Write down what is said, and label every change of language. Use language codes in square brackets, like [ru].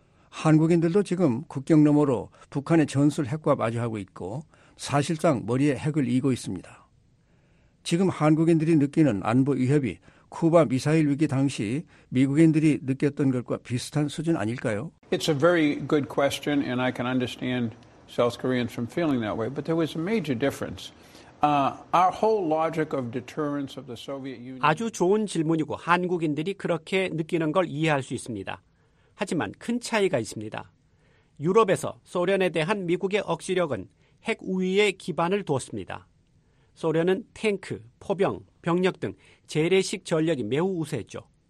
[ko] 한국인들도 지금 국경 너머로 북한의 전술 핵과 마주하고 있고 사실상 머리에 핵을 이고 있습니다. 지금 한국인들이 느끼는 안보 위협이 쿠바 미사일 위기 당시 미국인들이 느꼈던 것과 비슷한 수준 아닐까요? [en] It's a very good question and I can understand South Koreans from feeling that way, but there was a major difference. Our whole logic of deterrence of the Soviet Union. [ko] 아주 좋은 질문이고 한국인들이 그렇게 느끼는 걸 이해할 수 있습니다. 하지만 큰 차이가 있습니다. 유럽에서 소련에 대한 미국의 억지력은 핵 우위에 기반을 두었습니다. 소련은 탱크, 포병, 병력 등 재래식 전력이 매우 우세했죠.